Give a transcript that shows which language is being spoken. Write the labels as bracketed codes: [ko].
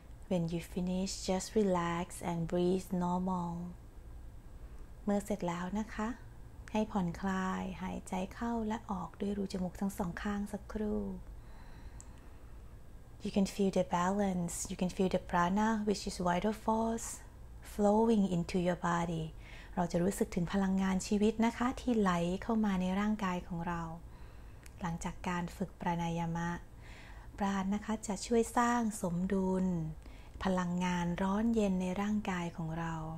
[en] When you finish, just relax and breathe normal. [th] เมื่อเสร็จแล้วนะคะให้ผ่อนคลายหายใจเข้าและออกด้วยรูจมูกทั้งสองข้างสักครู่ [en] You can feel the balance. You can feel the prana, which is vital force, flowing into your body. [th] เราจะรู้สึกถึงพลังงานชีวิตนะคะที่ไหลเข้ามาในร่างกายของเราหลังจากการฝึกปราณายามะปราณนะคะจะช่วยสร้างสมดุลพลังงานร้อนเย็นในร่างกายของเรา